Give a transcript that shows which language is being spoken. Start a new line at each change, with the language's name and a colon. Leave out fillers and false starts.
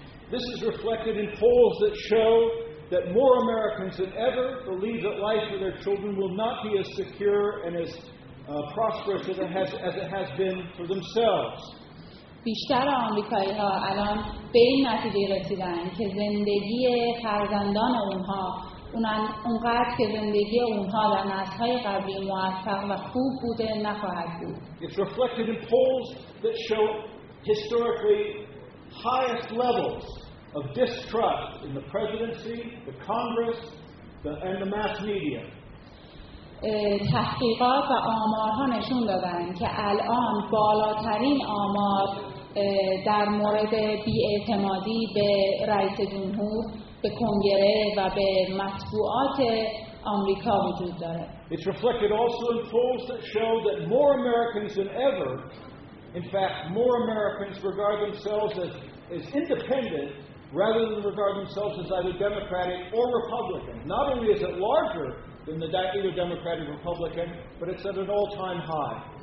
English: This is reflected in polls that show that more Americans than ever believe that life for their children will not be as secure and as prosperous as it has been for themselves.
Persian: بیشتر آمریکایی‌ها الان به این نتیجه رسیدن که زندگی فرزندان اونها اونقدر که زندگی اونها در نسل‌های قبلی موفق و خوب بوده نخواهد بود.
English: It's reflected in polls that show historically highest levels of distrust in the presidency, the Congress, and the mass media.
Persian: تحقیقات و آمارها نشون دادن که الان بالاترین آمار در مورد بی‌اعتمادی به رئیس جمهور، به کنگره و به مطبوعات آمریکا وجود داره.
English: It's reflected also in polls that show that more Americans than ever, in fact, more Americans regard themselves as independent rather than regard themselves as either Democratic or Republican. Not only is it larger than the either Democratic or Republican, but it's at an all-time high.